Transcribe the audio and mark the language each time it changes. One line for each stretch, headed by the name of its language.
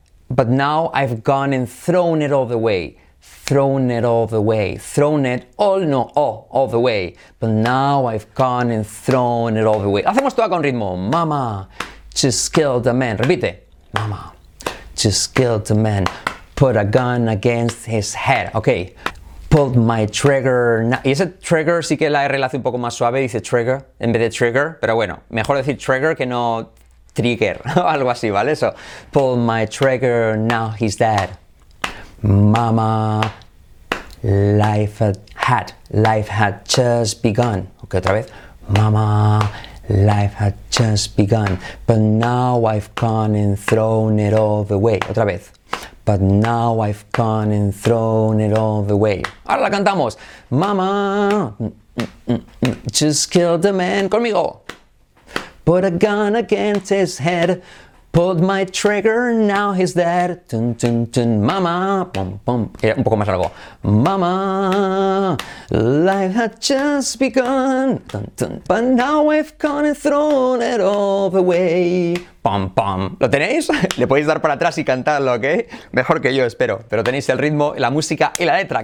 English: but now I've gone and thrown it all the way, thrown it all the way, thrown it all, no, oh, all the way, but now I've gone and thrown it all the way,
Spanish: hacemos todo con ritmo, mama,
English: just killed a man,
Spanish: repite,
English: mama, just killed a man, put a gun against his head. Ok. Pulled my trigger.
Spanish: Y ese trigger sí que la R la hace un poco más suave. Dice trigger en vez de trigger. Pero bueno, mejor decir trigger que no trigger o algo así, ¿vale? Eso.
English: Pulled my trigger. Now he's dead. Mama. Life had just begun. Ok,
Spanish: otra vez.
English: Mama. Life had just begun. But now I've gone and thrown it all the way.
Spanish: Otra vez.
English: But now I've gone and thrown it all the way.
Spanish: Ahora la cantamos.
English: Mama, just killed a man.
Spanish: Conmigo.
English: Put a gun against his head. Pulled my trigger, now he's dead. Tun, tun, tun, mama. Pum, pum.
Spanish: Era un poco más largo.
English: Mama, life had just begun. Tun, tun, but now we've gone and thrown it all the way.
Spanish: Pum, pum. ¿Lo tenéis? Le podéis dar para atrás y cantarlo, ¿ok? Mejor que yo, espero. Pero tenéis el ritmo, la música y la letra.